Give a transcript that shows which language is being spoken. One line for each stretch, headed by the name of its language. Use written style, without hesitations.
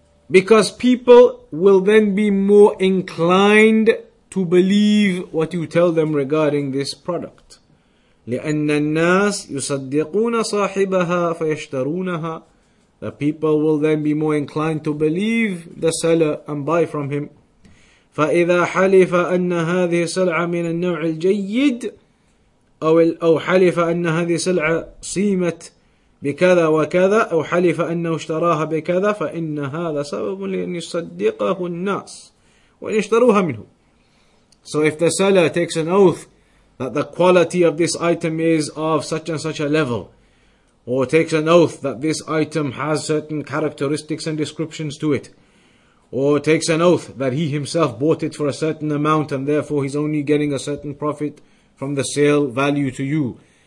English: Because people will then be more inclined to believe what you tell them regarding this product.
Arabic: لِأَنَّ النَّاسِ يُصَدِّقُونَ صَاحِبَهَا فَيَشْتَرُونَهَا.
English: The people will then be more inclined to believe the seller and buy from him. فَإِذَا حَلِفَ أَنَّ هَذِهِ سَلْعَ مِنَ النَّوْعِ الْجَيِّدِ أو حلف أن هذه سلعة صيمت بكذا وكذا أو حلف أنه اشتراها بكذا فإن هذا سبب لأن يصدقه الناس وأن يشتروها منه. So if the seller takes an oath that the quality of this item is of such and such a level, or takes an oath that this item has certain characteristics and descriptions to it, or takes an oath that he himself bought it for a certain amount and therefore he's only getting a certain profit from the sale value to you.